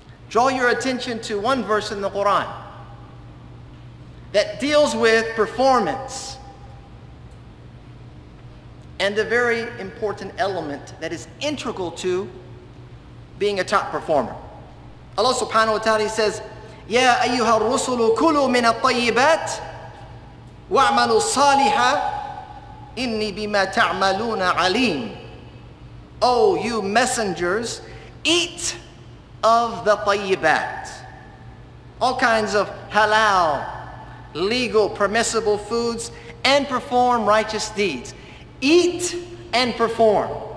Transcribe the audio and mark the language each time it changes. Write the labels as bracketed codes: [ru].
[en] Draw your attention to one verse in the Quran that deals with performance and a very important element that is integral to being a top performer. Allah subhanahu wa ta'ala says, [ar] يَا أَيُّهَا الرُّسُلُ كُلُوا مِنَ الطَّيِّبَاتِ وَاعْمَلُوا الصَّالِحَةِ إِنِّي بِمَا تَعْمَلُونَ عَلِيمٌ. [en] Oh, you messengers, eat of the طَيِّبَات. All kinds of halal, legal, permissible foods, and perform righteous deeds. Eat and perform.